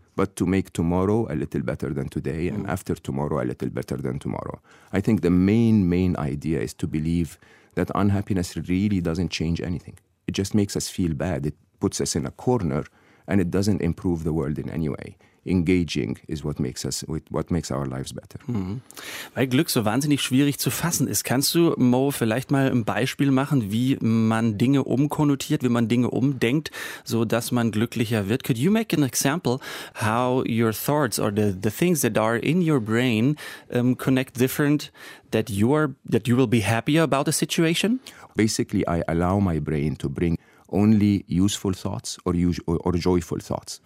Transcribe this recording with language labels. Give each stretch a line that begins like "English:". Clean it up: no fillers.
English: but to make tomorrow a little better than today and after tomorrow a little better than tomorrow. I think the main idea is to believe that unhappiness really doesn't change anything. It just makes us feel bad. It puts us in a corner and it doesn't improve the world in any way. Engaging is what makes us, what makes our lives better. Mhm.
German: Weil Glück so wahnsinnig schwierig zu fassen ist. Kannst du, Mo, vielleicht mal ein Beispiel machen, wie man Dinge umkonnotiert, wie man Dinge umdenkt, so dass man glücklicher wird?
English: Could you make an example how your thoughts or the things that are in your brain connect different, that you will be happier about a situation? Basically, I allow my brain to bring only useful thoughts or joyful thoughts.